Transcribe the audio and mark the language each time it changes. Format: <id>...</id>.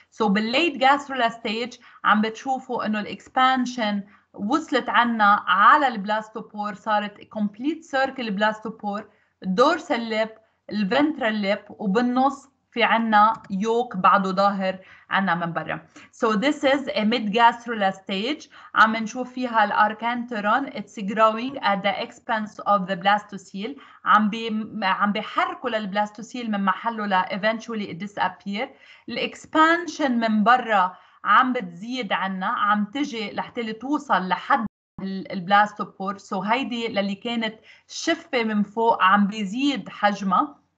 <ar>سو بال</ar> <en>late gastrula stage</en> <ar>عم بتشوفوا انه الاكسبانشن وصلت عنا على البلاستوبور، صارت</ar> <en>complete circle blastopore dorsal lip</en> <ar>الventral lip، وبالنص في عنا يوك بعده ظاهر عنا من برا.</ar> <en>So this is a mid-gastrula stage.</en> <ar>عم نشوف فيها الأركانتيرون.</ar> <en>It's growing at the expense of the blastocele.</en> <ar>عم بيحركوا للبلاستوسيل من محله لإيفنتشولي disappear. الإكسبانشن من برا عم بتزيد عنا. عم تجي لحتلي توصل لحد البلاستوبور. سو هيدي للي كانت شفة من فوق عم بيزيد حجمها.</ar>